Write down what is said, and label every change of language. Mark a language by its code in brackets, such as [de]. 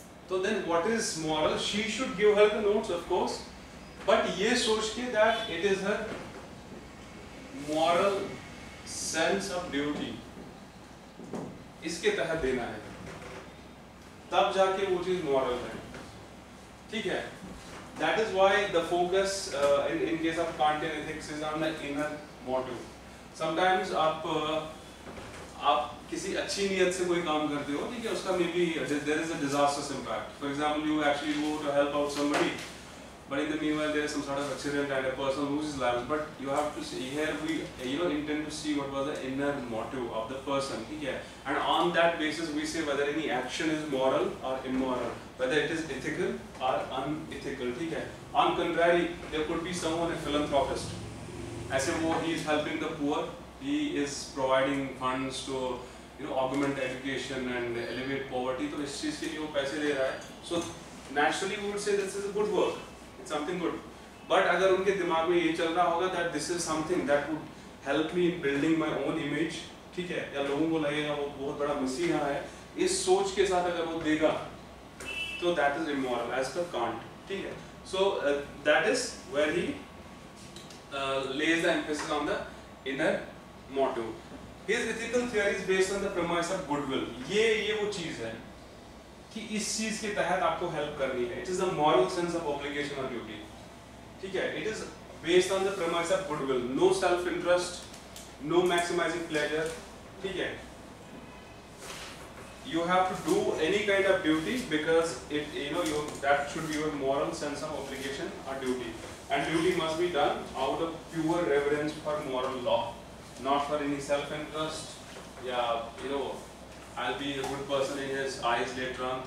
[en] तो then what is moral? She should give her the notes of course, but ये सोच के that it is her moral sense of duty, [hi] इसके तहत देना है, तब जाके वो चीज मॉरल है, [en] ठीक है. That is why the focus in case of Kantian ethics is on the inner motive. [hi] Sometimes आप किसी अच्छी नीयत से कोई काम करते हो, ठीक है, उसका [en] Maybe there is a disaster's impact. For example, you actually go to help out somebody, but in the meanwhile there is some sort of accident and a person loses lives, but you have to see here, we, you know, intend to see what was the inner motive of the person, theek hai, and on that basis we say whether any action is moral or immoral, whether it is ethical or unethical, theek hai. On contrary, there could be someone, a philanthropist, aise wo, he is helping the poor, he is providing funds to, you know, augment education and alleviate poverty, [hi] to is cheez ke liye wo paise de raha hai, [en] so naturally we would say this is a good work, something good. [hi] But अगर उनके दिमाग में ये चल रहा होगा [en] that this is something that would help me in building my own image, [hi] ठीक है, या लोगों को लगेगा वो बहुत बड़ा मसीहा है, इस सोच के साथ अगर वो देगा तो [en] that is immoral as per Kant. [hi] ठीक है. [en] So that is where he lays the emphasis on the inner motive. His ethical theory is based on the premise of goodwill. [hi] ये वो चीज है कि इस चीज के तहत आपको हेल्प करनी है. [en] It is the moral sense of obligation और duty. ठीक है. It is based on the premise of goodwill. No self interest, no maximising pleasure. [hi] ठीक है. [en] You have to do any kind of duty because it, you know, your, that should be your moral sense of obligation or duty. And duty must be done out of pure reverence for moral law, not for any self-interest. Yeah, you know, I'll be a good person in his eyes later on.